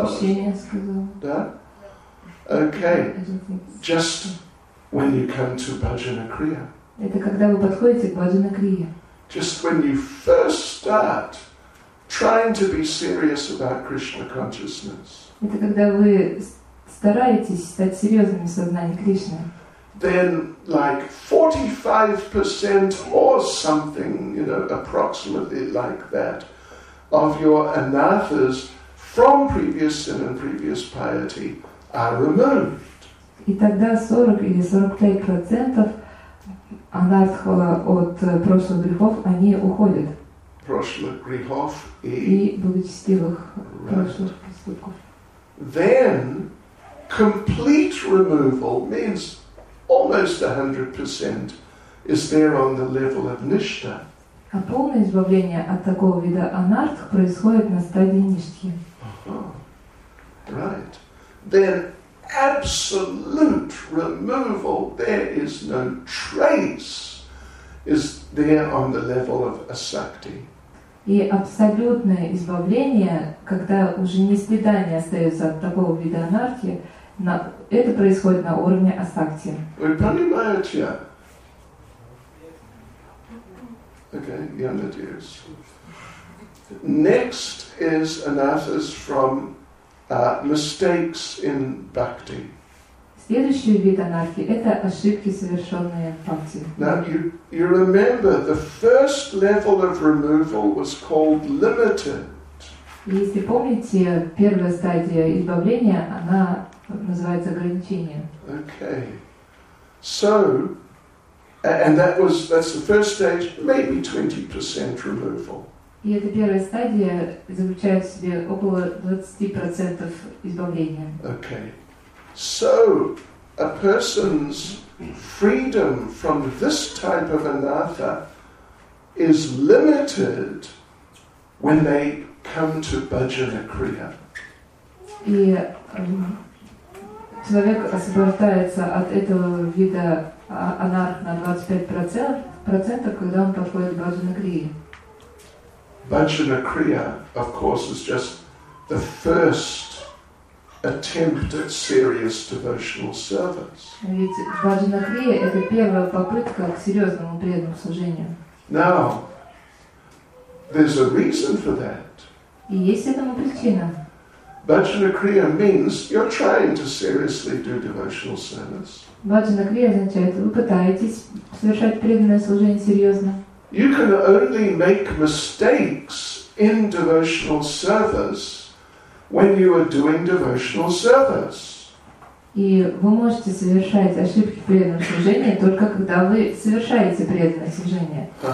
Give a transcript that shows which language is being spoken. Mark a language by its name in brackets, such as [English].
[Russian] Обобщение сказала. Да? [English] Okay, just when you come to Bhajana Kriya. [Russian] Это когда вы подходите к Bhajana Kriya. [English] Just when you first start trying to be serious about Krishna consciousness. [Russian] Это когда вы стараетесь стать серьезным в сознании Кришны. [English] Then like 45% or something, you know, approximately like that, of your anarthas from previous sin and previous piety are removed. [Russian] И тогда 40 или 45% анартха от прошлых грехов, они уходят. Прошлых грехов и благочестивых прошлых поступков. [English] Then, complete removal means almost 100% is there on the level of nishtha. [Russian] А полное избавление от такого вида анартх происходит на стадии ништхи. [English] Right. Then, absolute removal, there is no trace, is there on the level of asakti. [Russian] И абсолютное избавление, когда уже ни следа не остается от такого вида анартхи, это происходит на уровне асакти. Вы понимаете? [English] Okay, [Russian] я надеюсь. [English] Next is anarthas from mistakes in bhakti. [Russian] Следующий вид анархии – это ошибки, совершенные в бхакти. [English] Now, you remember, the first level of removal was called limited. [Russian] Если помните, первая стадия избавления, она называется ограничением. [English] Okay. So, and that's the first stage, maybe 20% removal. [Russian] И эта первая стадия заключает в себе около 20% избавления. [English] Okay. So, a person's freedom from this type of anartha is limited when they come to Bhajana Kriya. [Russian] И человек освобождается от этого вида анартха на 25%, когда он подходит к Bhajana Kriya. [English] Bhajana Kriya, of course, is just the first attempt at serious devotional service. [Russian] Ведь Bhajana Kriya – это первая попытка к серьезному преданному служению. [English] Now, there's a reason for that. [Russian] И есть этому причина. [English] Bhajana Kriya means you're trying to seriously do devotional service. [Russian] Bhajana Kriya означает, вы пытаетесь совершать преданное служение серьезно. [English] You can only make mistakes in devotional service when you are doing devotional service. [Russian] И вы можете совершать ошибки в преданном служении только когда вы совершаете преданное служение.